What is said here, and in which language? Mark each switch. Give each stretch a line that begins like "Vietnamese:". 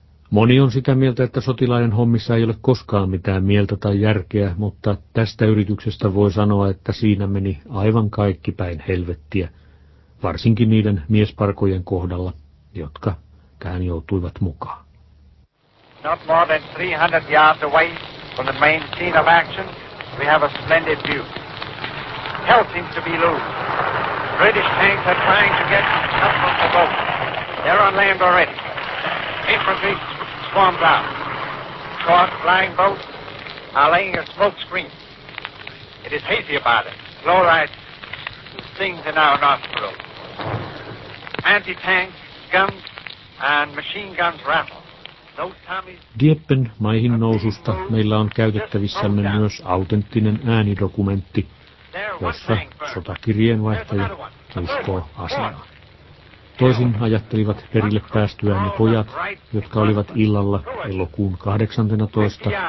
Finnish: Moni on sitä mieltä, että sotilaiden hommissa ei ole koskaan mitään mieltä tai järkeä, mutta tästä yrityksestä voi sanoa, että siinä meni aivan kaikki päin helvettiä, varsinkin niiden miesparkojen kohdalla, jotka tähän joutuivat mukaan.
English: Not more than 300 yards away from the main scene of action, we have a splendid view. Hell seems to be loose. British tanks are trying to get up on the boat. They're on land already. Infantry swarmed out. Short flying boats are laying a smoke screen. It is hazy about it. Low light stings in our nostrils. Anti-tank guns and machine guns rattle.
Finnish: Dieppen maihinnoususta meillä on käytettävissämme myös autenttinen äänidokumentti, jossa sotakirjeenvaihtaja uskoo asiaan. Toisin ajattelivat perille päästyään ne pojat, jotka olivat illalla elokuun 18.